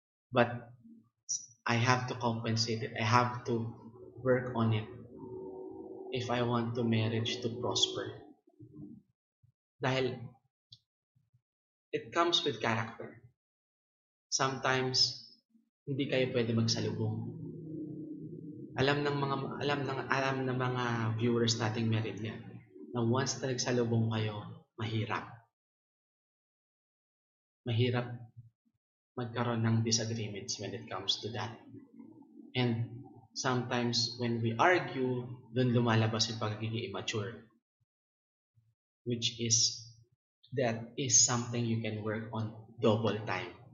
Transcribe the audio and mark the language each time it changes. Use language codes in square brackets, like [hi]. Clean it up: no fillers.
[en] But I have to compensate it. I have to work on it if I want to marriage to prosper. Dahil it comes with character. [tl] Sometimes, hindi kayo pwede magsalubong. Alam ng mga viewers nating married niya na once na nagsalubong kayo, mahirap. Mahirap magkaroon ng [en] disagreements when it comes to that. And sometimes when we argue, [tl] dun lumalabas yung pagiging [en] immature. Which is, that is something you can work on double time.